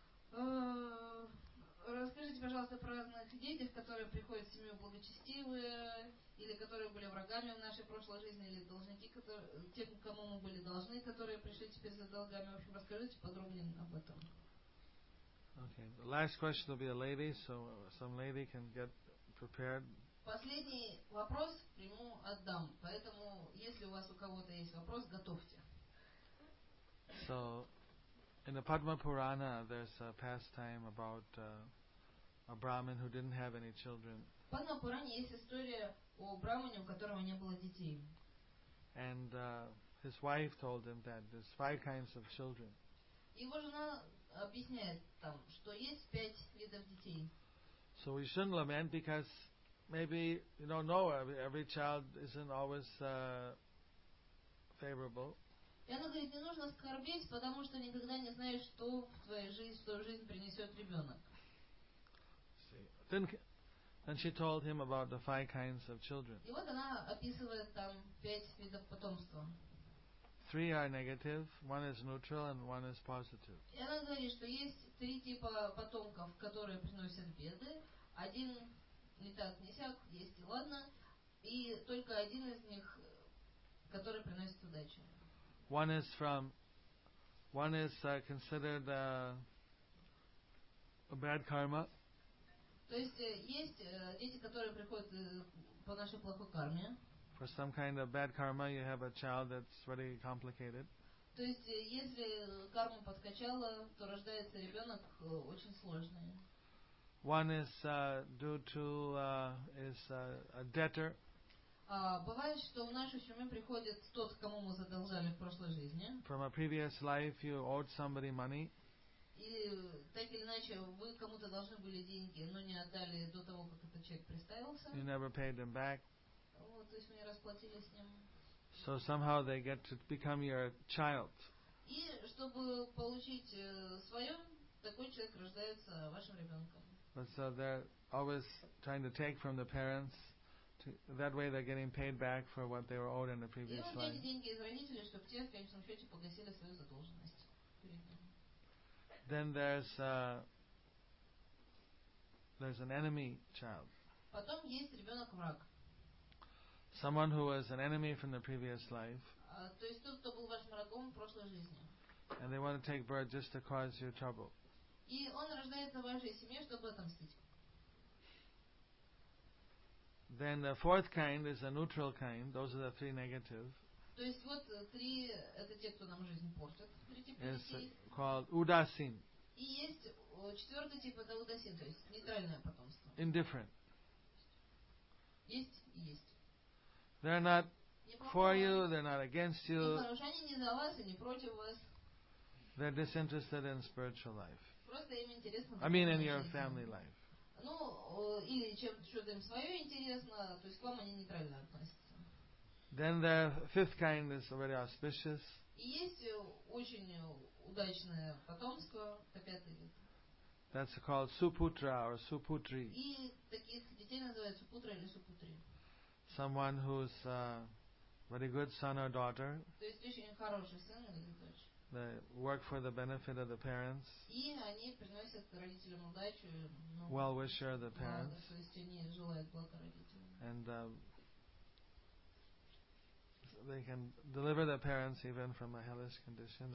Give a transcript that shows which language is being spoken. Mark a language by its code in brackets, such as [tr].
[ru] Расскажите, пожалуйста, про разных детей, которые приходят в семью благочестивые, или которые были врагами в нашей прошлой жизни, или должники, которые, тем, кому мы были должны, которые пришли теперь за долгами. В общем, расскажите подробнее об этом. [en] Okay. The last question will be a lady, so some lady can get prepared. [ru] Последний вопрос приму от дам. Поэтому, если у вас у кого-то есть вопрос, готовьте. [en] So, in the Padma Purana, there's a pastime about a Brahmin who didn't have any children. [ru] Padma Purana есть история о Брахмане, у которого не было детей. [en] And his wife told him that there's five kinds of children. [ru] Его жена объясняет там, что есть пять видов детей. [en] So we shouldn't lament because maybe you don't know every child isn't always favorable. [ru] И она говорит, не нужно скорбеть, потому что никогда не знаешь, что в твоей жизни, что в жизнь принесет ребенок. [en] Then she told him about the five kinds of children. [ru] И вот она описывает там пять видов потомства. [en] Three are negative, one is neutral, and one is positive. [ru] И она говорит, что есть три типа потомков, которые приносят беды. Один не так, не сяк, есть и ладно. И только один из них, который приносит удачу. [en] One is considered a bad karma. [ru] То есть есть дети, которые приходят по нашей плохой карме. [en] For some kind of bad karma, you have a child that's very complicated. [ru] То есть если карма подкачала, то рождается ребенок очень сложный. [en] One is due to a debtor. [ru] Бывает, что в нашу семью приходит тот, кому мы задолжали в прошлой жизни. [en] from a previous life you owed somebody money. [ru] И так или иначе вы кому-то должны были деньги, но не отдали до того, как этот человек представился. [en] You never paid them back. [ru] Вот, то есть мы не расплатили с ним. [en] So somehow they get to become your child. [ru] И чтобы получить свое, такой человек рождается вашим ребенком. [en] But so they're always trying to take from the parents. That way they're getting paid back for what they were owed in the previous life. [ru] И взять деньги из родителей, чтобы те в конечном счете погасили свою задолженность. [en] Then there's an enemy child. [ru] Потом есть ребенок враг. [en] Someone who was an enemy from the previous life. [ru] То есть тот, кто был вашим врагом в прошлой жизни. [en] And they want to take birth just to cause you trouble. [ru] И он рождается в вашей семье, чтобы отомстить. [en] Then the fourth kind is a neutral kind. Those are the three negative. [ru] То есть вот три, это те, кто нам жизнь портят. [en] It's called Udasin. [ru] И есть четвертый тип, это Udasin, то есть нейтральное потомство. [en] Indifferent. [ru] Есть, есть. [en] They're not for you, they're not against you. [ru] Хорошо, они не за вас и не против вас. [en] They're disinterested in spiritual life. [ru] Просто им интересно. [en] I mean in your family life. [ru] Ну, или что-то им свое интересно, то есть к вам они нейтрально относятся. [en] Then the fifth kind is very auspicious. [ru] Есть очень удачное потомство, это пятый вид. [en] That's called Suputra or Suputri. [ru] И таких детей называют Супутра или Супутри. [en] Someone who's a very good son or daughter. [ru] То есть очень хороший сын или дочь. [en] They work for the benefit of the parents. [ru] И они приносят родителям удачу. [en] Well wisher the parents. [ru] То есть они желают блага родителям. [en] And they can deliver their parents even from a hellish condition.